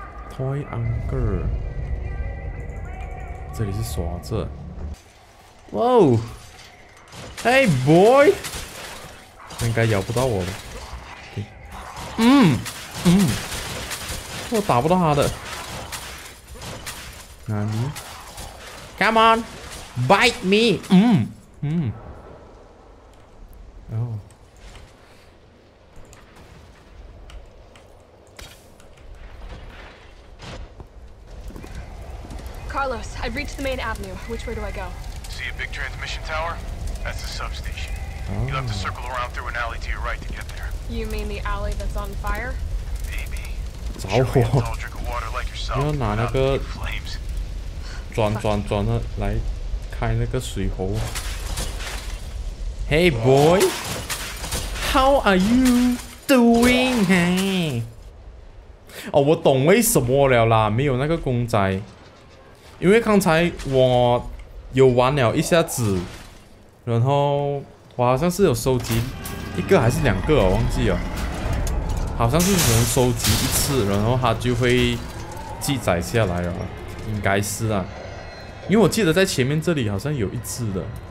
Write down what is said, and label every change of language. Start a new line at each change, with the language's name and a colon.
Chinese: Toy Uncle， 这里是锁子。
English: 哇哦 ！Hey boy。
Chinese: 应该咬不到我的、我打不到他的。哪里
English: ？Come on， bite me！ Carlos， I've reached the main avenue. Which way do I go？ See a big transmission tower？ That's the substation. You'll have to circle around through an alley to your right to get there. You mean the alley that's on fire? Maybe.
Chinese: 着火。
English: Sure, have a tall drink of water like yourself.
Chinese: 要拿那个转的来开那个水喉。
English: Hey boy, how are you doing? Hey.
Chinese: 哦，我懂为什么了啦，没有那个公仔，因为刚才我有玩了一下子，然后。我好像是有收集一个还是两个、哦、我忘记了，好像是只能收集一次，然后它就会记载下来了，应该是啊，因为我记得在前面这里好像有一只的。